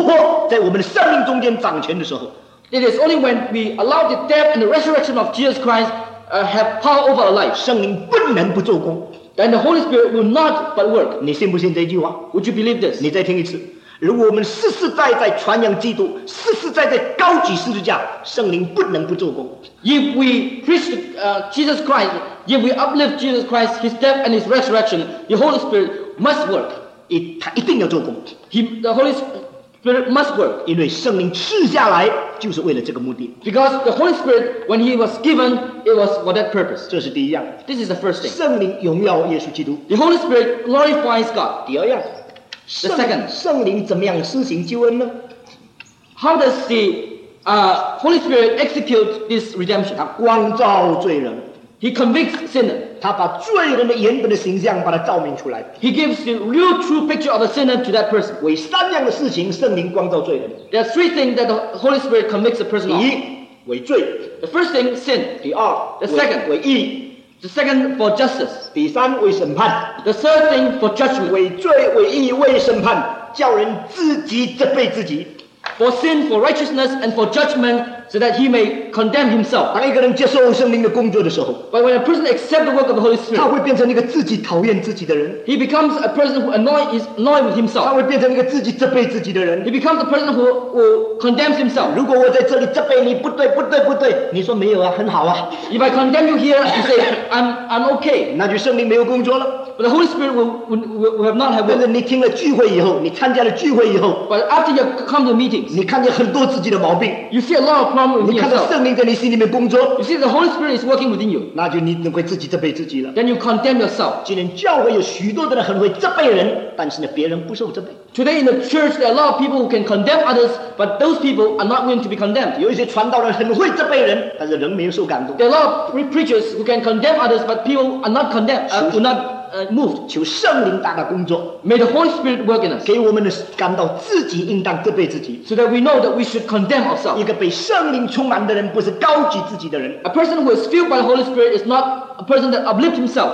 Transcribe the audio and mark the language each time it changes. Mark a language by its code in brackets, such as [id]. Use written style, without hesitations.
[zh] 我们实实在在让耶稣基督的死与复活在我们的生命中间掌权的时候。 [en] It is only when we allow the death and the resurrection of Jesus Christ have power over our life. [zh] 圣灵不能不做工。 [en] Then the Holy Spirit will not but work. [zh] 你信不信这句话? [en] Would you believe this? [zh] 你再听一次。如果我们实实在在传扬基督, 实实在在高举十字架, 圣灵不能不做工。 [en] If we preach Jesus Christ, if we uplift Jesus Christ, his death and his resurrection, the Holy Spirit must work. [zh] 他一定要做工。 [en] The Holy Spirit must work. Because the Holy Spirit, when he was given, it was for that purpose. [zh] 这是第一样。 [en] This is the first thing. [zh] 圣灵荣耀耶稣基督。 [en] The Holy Spirit glorifies God. [zh] 第二样。 [en] The second. [zh] 圣灵怎么样施行救恩呢? [en] How does the Holy Spirit executes this redemption. [zh] 他光照罪人。 [en] He convicts sinner. [zh] 他把罪人的原本的形象把它照明出来。 [en] He gives the real true picture of a sinner to that person. [zh] 为三样的事情，圣灵光照罪人。 [en] There are three things that the Holy Spirit convicts a person of. [zh] 第一，为罪。 [en] The first thing, sin. [zh] 第二， [en] the second, [zh] 为义。 [en] The second for justice. [zh] 第三，为审判。 [en] The third thing for judgment. [zh] 为罪、为义、为审判，叫人自己责备自己。 [en] For sin, for righteousness, and for judgment, so that he may condemn himself. [zh] 当一个人接受圣灵的工作的时候 [en] ，But when a person accepts the work of the Holy Spirit, [zh] 他会变成一个自己讨厌自己的人。 [en] He becomes a person who annoyed with himself. [zh] 他会变成一个自己责备自己的人。 [en] He becomes a person who condemns himself. [zh] 如果我在这里责备你，不对，不对，不对，你说没有啊，很好啊。 [en] If I condemn you here, you say I'm okay. [zh] 那就圣灵没有工作了。 [en] But the Holy Spirit will have not have work. [zh] 或者你听了聚会以后，你参加了聚会以后 [en] ，But after you come to meetings, [zh] 你看见很多自己的毛病 [en] ，You see a lot of problems with yourself. [zh] 你看到圣灵在你心里面工作 [en] ，You see the Holy Spirit is working within you. [zh] 那就你能会自己责备自己了。 [en] Then you condemn yourself. [zh] 今天教会有许多的人很会责备人，但是呢，别人不受责备。 [en] Today in the church there are a lot of people who can condemn others, but those people are not willing to be condemned. [zh] 有一些传道人很会责备人，但是人没有受感动。 [en] There are a lot of preachers who can condemn others, but people are not condemned. Will not. Moved, [zh] 求圣灵大大工作 [en] ，May the Holy Spirit work in us， [zh] 给我们的感到自己应当责备自己 [en] ，So that we know that we should condemn ourselves。 [zh] 一个被圣灵充满的人，不是高举自己的人。 [en] A person who is filled by the Holy Spirit is not a person that uplifts himself，